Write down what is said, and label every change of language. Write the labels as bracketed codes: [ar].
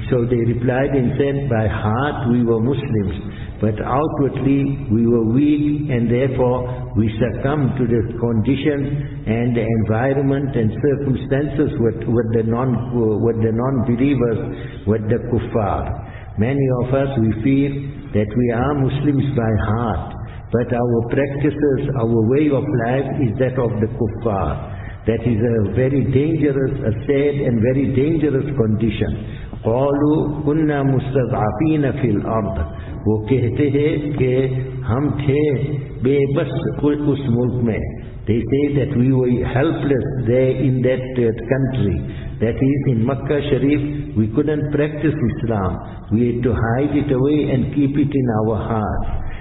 [en] So they replied and said, by heart we were Muslims, but outwardly we were weak, and therefore we succumbed to the conditions and the environment and circumstances with the non-believers, with the kuffar. Many of us, we feel that we are Muslims by heart, but our practices, our way of life is that of the kuffar. That is a very dangerous, a sad and very dangerous condition. [ar] قَالُوا كُنَّا مُسْتَضْعَفِينَ فِي الْأَرْضِ [ur] وہ کہتے ہیں کہ ہم تھے بے بس اس ملک میں. [en] They say that we were helpless there in that country. That is, in Makkah Sharif, we couldn't practice Islam. We had to hide it away and keep it in our hearts.